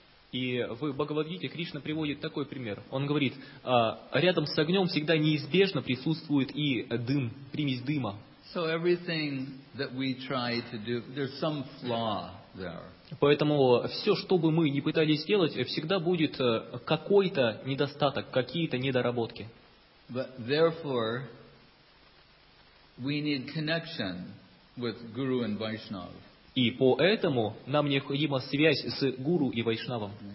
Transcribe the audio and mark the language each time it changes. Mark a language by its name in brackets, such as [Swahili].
[Russian] И в Бхагавад-гите Кришна приводит такой пример. Он говорит, рядом с огнем всегда неизбежно присутствует и дым, примесь дыма. [English] So everything that we try to do, there's some flaw there. [Russian] Поэтому все, что бы мы ни пытались сделать, всегда будет какой-то недостаток, какие-то недоработки. [English] But therefore, we need connection with Guru and Vaishnav. [Russian] И поэтому нам необходима связь с Гуру и Вайшнавом.